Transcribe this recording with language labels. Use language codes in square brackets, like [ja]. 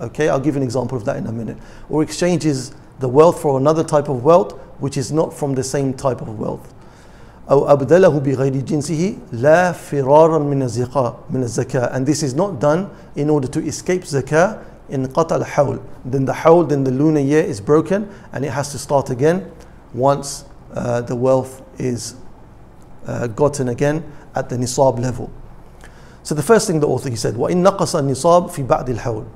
[en] Okay, I'll give an example of that in a minute. Or exchanges the wealth for another type of wealth which is not from the same type of wealth. [ar] أو أبدله بغير جنسه لا فرارا من الزكاة. [en] And this is not done in order to escape zakah. In قطع الحول, then the hawl, then the lunar year is broken and it has to start again once the wealth is gotten again at the nisab level. So the first thing the author, he said, وَإِن نَقَصَ النِّصَابُ فِي بَعْدِ الْحَوْلِ.